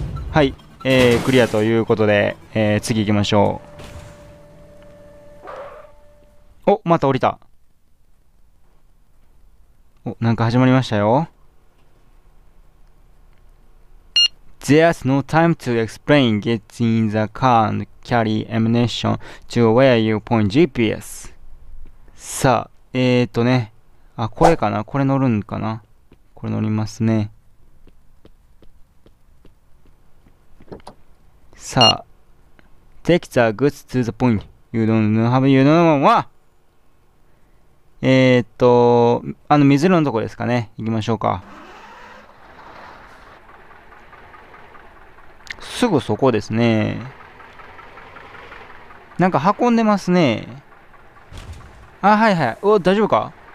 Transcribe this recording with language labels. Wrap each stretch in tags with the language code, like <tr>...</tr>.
<ja>はい、クリアということで、次行きましょう。お、また降りた。お、なんか始まりましたよ。</ja> <en>There's no time to explain. Get in the car and carry ammunition to where you point GPS.</en> <ja>さあ、ね、あ、これかな、これ乗るんかな。これ乗りますね。</ja> <en>さあ、Take the goods to the point. You don't have you know what?</en> <ja>あの水色のとこですかね。行きましょうか。すぐそこですね。なんか運んでますね。あ、はいはい。お、大丈夫か。</ja>